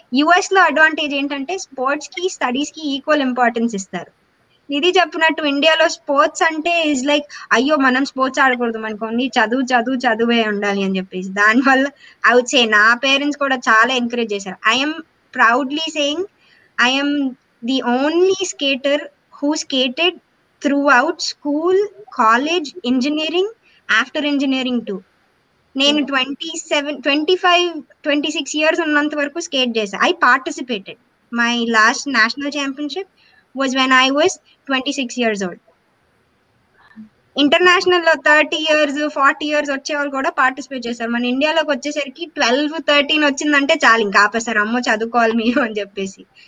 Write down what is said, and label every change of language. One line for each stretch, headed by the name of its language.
Telugu: US లో advantage ఏంటంటే sports కి స్టడీస్ కి ఈక్వల్ ఇంపార్టెన్స్ ఇస్తారు. నిధి చెప్పినట్టు ఇండియాలో స్పోర్ట్స్ అంటే ఇస్ లైక్ అయ్యో మనం స్పోర్ట్స్ ఆడకూడదు, మనకు అన్ని చదువు చదువు చదువే ఉండాలి అని చెప్పేసి. దానివల్ల
English: I would say
Telugu: నా పేరెంట్స్ కూడా చాలా ఎంకరేజ్ చేశారు.
English: I'm proudly saying I'm the only skater who skated throughout school, college, engineering, after engineering too.
Telugu: నేను 25-26 ఇయర్స్ ఉన్నంత వరకు స్కేట్ చేశాను.
English: I participated my last national championship was when I was 26 years old.
Telugu: ఇంటర్నేషనల్లో 30 years 40 years వచ్చేవాళ్ళు కూడా participate చేస్తారు. మన ఇండియాలోకి వచ్చేసరికి 12-13 వచ్చిందంటే చాలు, ఇంకా ఆపేసారు, అమ్మ చదువుకోవాలి మీరు అని చెప్పేసి.